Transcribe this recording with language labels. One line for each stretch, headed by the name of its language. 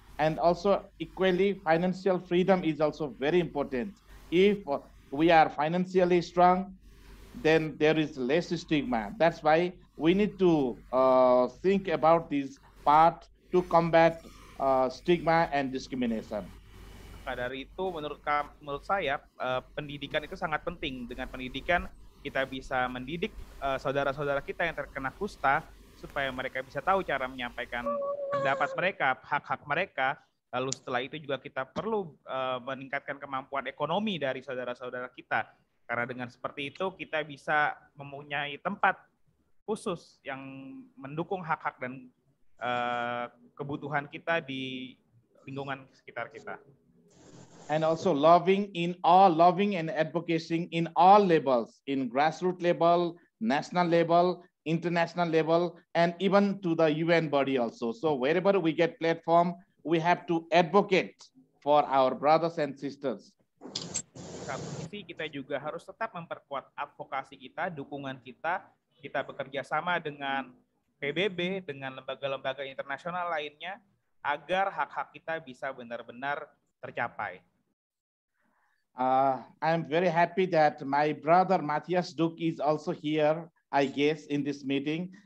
English: And also equally, financial freedom is also very important. If we are financially strong, then there is less stigma. That's why we need to think about this part to combat stigma and discrimination.
Indonesian: Dari itu, menurut saya, pendidikan itu sangat penting. Dengan pendidikan, kita bisa mendidik saudara-saudara kita yang terkena kusta supaya mereka bisa tahu cara menyampaikan pendapat mereka, hak-hak mereka. Lalu setelah itu juga kita perlu meningkatkan kemampuan ekonomi dari saudara-saudara kita. Karena dengan seperti itu kita bisa mempunyai tempat khusus yang mendukung hak-hak dan kebutuhan kita di lingkungan sekitar kita.
English: And also loving and advocating in all levels, in grassroots level, national level, international level, and even to the UN body also. So wherever we get platform, we have to advocate for our brothers and sisters.
Indonesian: Satu sisi, kita juga harus tetap memperkuat advokasi kita, dukungan kita. Kita bekerja sama dengan PBB, dengan lembaga-lembaga internasional lainnya, agar hak-hak kita bisa benar-benar tercapai.
English: I'm very happy that my brother Matthias Duk is also here, I guess, in this meeting.